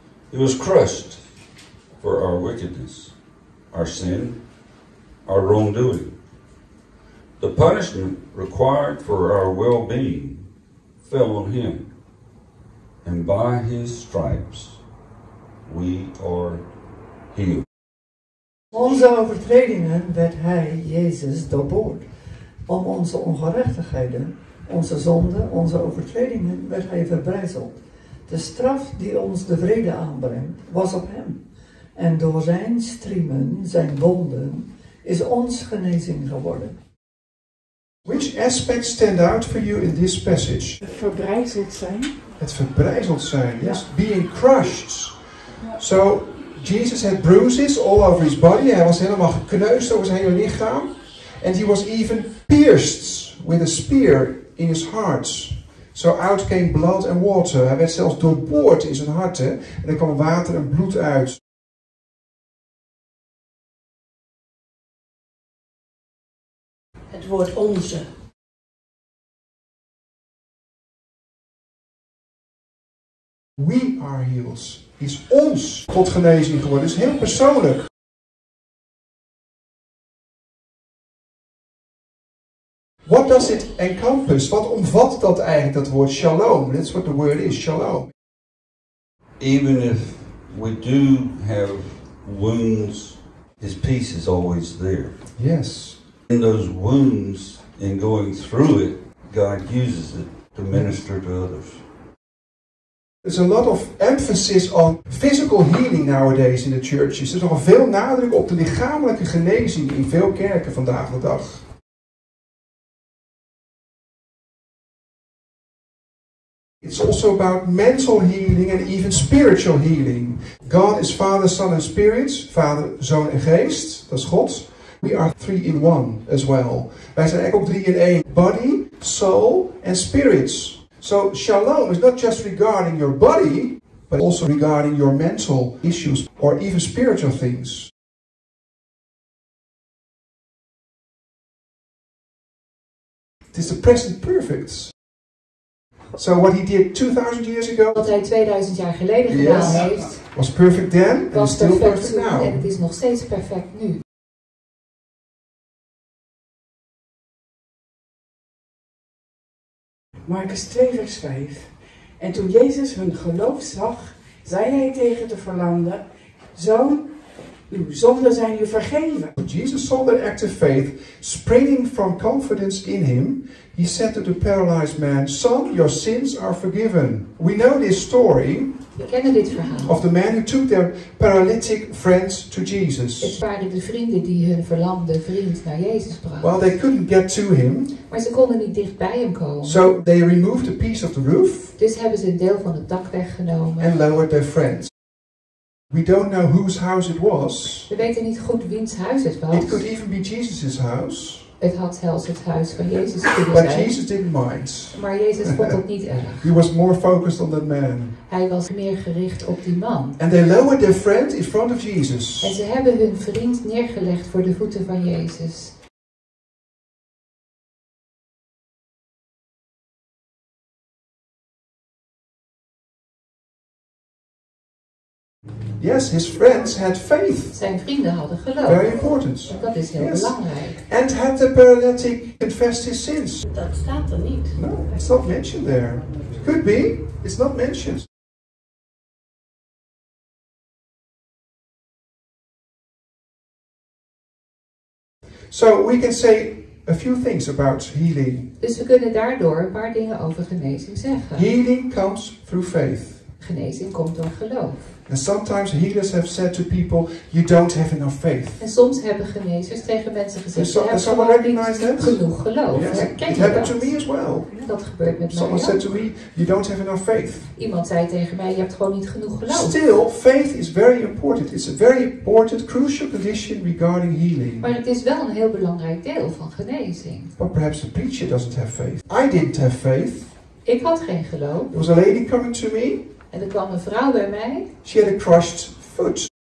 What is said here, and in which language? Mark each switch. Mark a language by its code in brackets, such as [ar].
[en] He was crushed for our wickedness, our sin, our wrongdoing. The punishment required for our well-being fell on him, and by his stripes we are healed. [nl] Onze overtredingen werd hij, Jezus, doorboord. Om onze ongerechtigheden, onze zonden, onze overtredingen werd hij verbrijzeld. De straf die ons de vrede aanbrengt, was op hem. En door zijn striemen, zijn wonden, is ons genezing geworden. [en] Which aspects stand out for you in this passage? [nl] Het verbrijzeld zijn. Het verbrijzeld zijn, yes. [en] Ja. Being crushed. Ja. So, Jesus had bruises all over his body. [nl] Hij was helemaal gekneusd over zijn hele lichaam. [en] And he was even pierced with a spear in his heart. So out came blood and water. [nl] Hij werd zelfs doorboord in zijn hart. Hè? En er kwam water en bloed uit. Het woord onze. [en] We are healed. [nl] Is ons tot genezing geworden. Het is heel persoonlijk. [en] What does it encompass? [nl] Wat omvat dat eigenlijk, dat woord shalom? [en] That's what the word is, shalom. Even if we do have wounds, his peace is always there. Yes. In those wounds, in going through it, God uses it to minister to others. There's a lot of emphasis on physical healing nowadays in the churches. [nl] Er is nogal veel nadruk op de lichamelijke genezing in veel kerken vandaag de dag. [en] It's also about mental healing and even spiritual healing. God is Father, Son and Spirit. [nl] Vader, Zoon en Geest. Dat is God. [en] We are three in one as well. [nl] Wij zijn eigenlijk ook drie in één. [en] Body, soul and spirit. So shalom is not just regarding your body, but also regarding your mental issues or even spiritual things. It is the present perfect. So what he did 2000 years ago, [nl] wat hij 2000 jaar geleden gedaan heeft, [en] was perfect then, and is still perfect now. [nl] En het is nog steeds perfect nu. Marcus 2 vers 5. En toen Jezus hun geloof zag, zei hij tegen de verlamde: Zoon, uw zonden zijn u vergeven. [en] Jesus saw their act of faith springing from confidence in him. He said to the paralyzed man, Son, your sins are forgiven. We know this story. [nl] We kennen dit verhaal. [en] Of the man who took their paralytic friends to Jesus. [nl] Het waren de vrienden die hun verlamde vriend naar Jezus brachten. [en] Well, they couldn't get to him. [nl] Maar ze konden niet dicht bij hem komen. [en] So they removed a piece of the roof. [nl] Dus hebben ze een deel van het dak weggenomen. [en] And lowered their friends. We don't know whose house it was. [nl] We weten niet goed wiens huis het was. [en] It could even be Jesus' house. [nl] Het had zelfs het huis van Jezus kunnen zijn. [en] But Jesus didn't mind. [nl] Maar Jezus vond het niet erg. [en] He was more focused on that man. [nl] Hij was meer gericht op die man. [en] And they lowered their friend in front of Jesus. [nl] En ze hebben hun vriend neergelegd voor de voeten van Jezus. [en] Yes, his friends had faith. [nl] Zijn vrienden hadden geloof. [en] Very important. [nl] Dat is heel belangrijk. [en] And had the paralytic confessed his sins? [nl] Dat staat er niet. [en] No, it's not mentioned there. It could be. It's not mentioned. So we can say a few things about healing. [nl] Dus we kunnen daardoor een paar dingen over genezing zeggen. [en] Healing comes through faith. [nl] Genezing komt door geloof. [en] And sometimes healers have said to people, you don't have enough faith. [nl] En soms hebben genezers tegen mensen gezegd, [en] so, [nl] je hebt niet genoeg geloof. [en] Yes. [nl] Herken [en] it [nl] je [en] happened [nl] dat? [en] To me as well. [nl] Dat gebeurt met [en] someone [nl] mij ook. [en] Said to me, you don't have enough faith. [nl] Iemand zei tegen mij, je hebt gewoon niet genoeg geloof. [en] Still, faith is very important. It's a very important, crucial condition regarding healing. [nl] Maar het is wel een heel belangrijk deel van genezing. [en] But perhaps the preacher doesn't have faith. I didn't have faith. [nl] Ik had geen geloof. [en] There was a lady coming to me. [nl] En er kwam een vrouw bij mij. [en] She had a crushed foot.